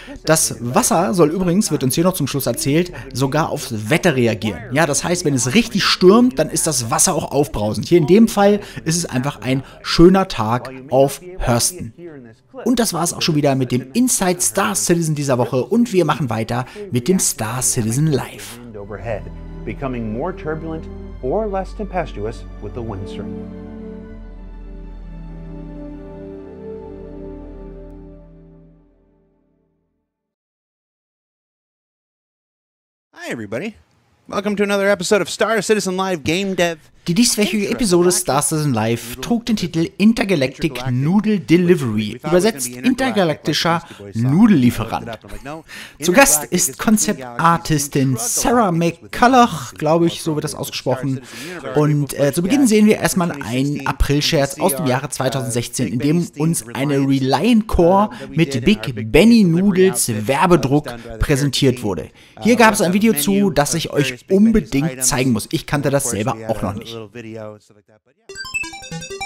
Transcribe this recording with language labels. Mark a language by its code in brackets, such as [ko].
[de] Das Wasser soll übrigens, wird uns hier noch zum Schluss erzählt, sogar aufs Wetter reagieren. Ja, das heißt, wenn es richtig stürmt, dann ist das Wasser auch aufbrausend. Hier in dem Fall ist es einfach ein schöner Tag auf Hurston. Und das war es auch schon wieder mit dem Inside Star Citizen dieser Woche und wir machen weiter mit dem Star Citizen Live. [en] Overhead, becoming more turbulent or less tempestuous with the wind stream. Hi everybody. Welcome to another episode of Star Citizen Live Game Dev. [de] Die dieswöchige Episode Star Citizen Live trug den Titel Intergalactic Noodle Delivery, übersetzt intergalaktischer Nudellieferant. Zu Gast ist Konzeptartistin Sarah McCulloch, glaube ich, so wird das ausgesprochen. Und zu Beginn sehen wir erstmal einen April-Scherz aus dem Jahre 2016, in dem uns eine Reliant Core mit Big Benny Noodles Werbedruck präsentiert wurde. Hier gab es ein Video zu, das ich euch unbedingt zeigen muss. Ich kannte das selber auch noch nicht. [en] A little video and stuff like that, but yeah.